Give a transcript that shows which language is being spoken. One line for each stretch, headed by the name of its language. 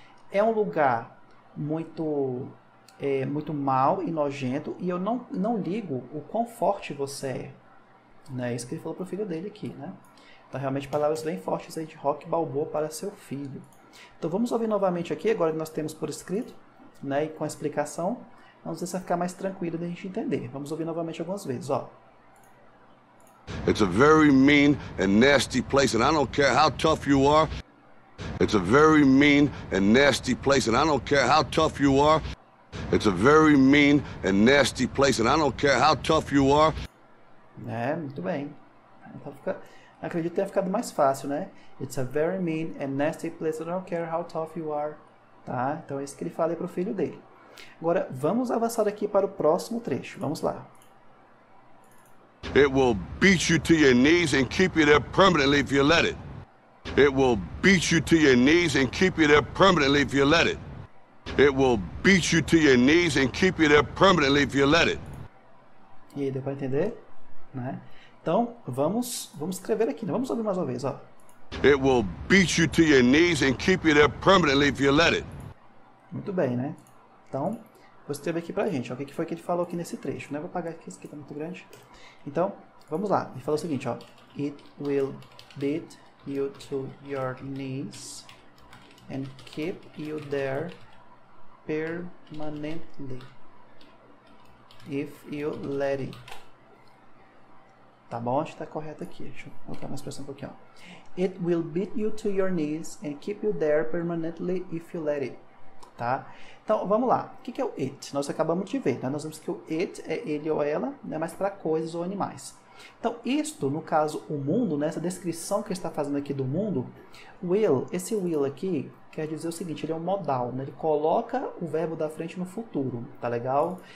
Portuguese: É um lugar muito, muito mal e nojento, e eu não ligo o quão forte você é, né? Isso que ele falou pro filho dele aqui, né? Então, realmente, palavras bem fortes aí de Rock Balboa para seu filho. Então, vamos ouvir novamente aqui, agora que nós temos por escrito, né, e com a explicação, vamos ver se vai ficar mais tranquilo da gente entender. Vamos ouvir novamente algumas vezes, ó.
English: It's a very mean and nasty place, and I don't care how tough you are. It's a very mean and nasty place, and I don't care how tough you are. It's a very mean and nasty place, and I don't care how tough you are.
Portuguese: É, muito bem. Então, fica... Acredito que tenha ficado mais fácil, né?
English: It's a very mean and nasty place. I don't care how tough you are.
Portuguese: Tá? Então é isso que ele fala aí pro filho dele. Agora, vamos avançar aqui para o próximo trecho. Vamos lá.
English: It will beat you to your knees and keep you there permanently if you let it. It will beat you to your knees and keep you there permanently if you let it. It will beat you to your knees and keep you there permanently if you let it.
Portuguese: E aí, deu pra entender? Né? Então, vamos escrever aqui, né? Vamos ouvir mais uma vez, ó.
English: It will beat you to your knees and keep you there permanently if you let it.
Portuguese: Muito bem, né? Então, vou escrever aqui pra gente, ó. O que foi que ele falou aqui nesse trecho, né? Vou apagar aqui, esse aqui tá muito grande. Então, vamos lá. Ele falou o seguinte, ó.
English: It will beat you to your knees and keep you there permanently if you let it.
Portuguese: Tá bom? Acho que tá correto aqui. Deixa eu colocar mais pressão um pouquinho. Ó.
English: It will beat you to your knees and keep you there permanently if you let it.
Portuguese: Tá? Então, vamos lá. O que é o it? Nós acabamos de ver. Né? Nós vimos que o it é ele ou ela, né? Mas para coisas ou animais. Então, isto, no caso, o mundo, nessa descrição que ele está fazendo aqui do mundo, will, esse will aqui, quer dizer o seguinte, ele é um modal, né? Ele coloca o verbo da frente no futuro, tá legal?